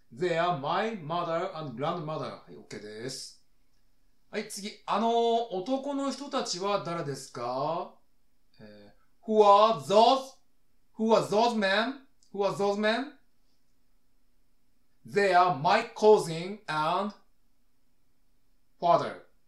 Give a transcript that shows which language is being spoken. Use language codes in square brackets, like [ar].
[en] They are my mother and grandmother. [ja] はい、OK です。はい、次。あの男の人たちは誰ですか、 [en] Who are those men? They are my cousin and father.